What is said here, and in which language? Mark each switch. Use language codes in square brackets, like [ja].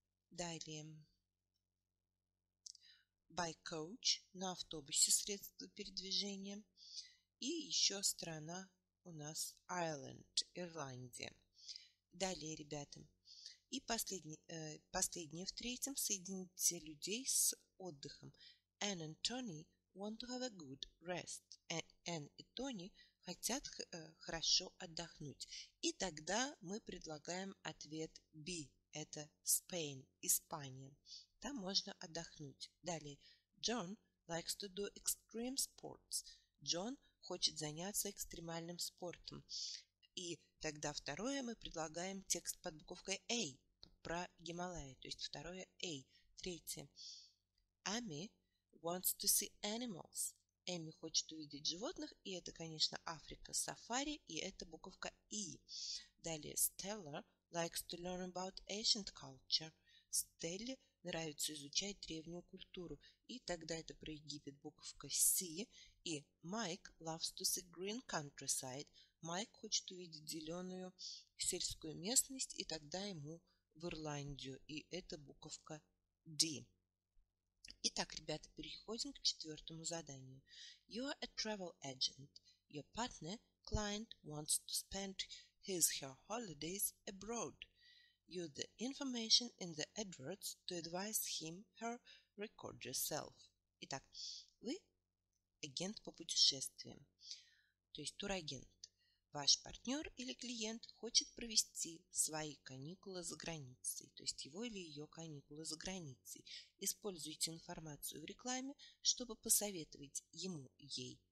[ru] Далее – [en] by coach, [ru] на автобусе средства передвижения. И еще страна у нас – Ireland, Ирландия. Далее, ребята. И последнее в третьем – соедините людей с отдыхом. [en] Anne and Tony want to have a good rest. [ru] Anne и Tony – хотят хорошо отдохнуть. И тогда мы предлагаем ответ B. Это Spain, Испания. Там можно отдохнуть. Далее. [en] John likes to do extreme sports. [ru] John хочет заняться экстремальным спортом. И тогда второе мы предлагаем текст под буковкой A. Про Гималаи. То есть второе A. Третье. [en] Amy wants to see animals. [ru] Эми хочет увидеть животных, и это, конечно, Африка, сафари, и это буковка И. [en] Далее, Stella likes to learn about ancient culture. [ru] Стелле нравится изучать древнюю культуру. И тогда это про Египет, буковка С. [en] И Mike loves to see green countryside. [ru] Майк хочет увидеть зеленую сельскую местность, и тогда ему в Ирландию, и это буковка D. Итак, ребята, переходим к четвертому заданию. [en] You are a travel agent. Your partner, client, wants to spend his/her holidays abroad. Use the information in the adverts to advise him/her, record yourself. [ru] Итак, вы агент по путешествиям, то есть турагент. Ваш партнер или клиент хочет провести свои каникулы за границей, то есть его или ее каникулы за границей. Используйте информацию в рекламе, чтобы посоветовать ему, ей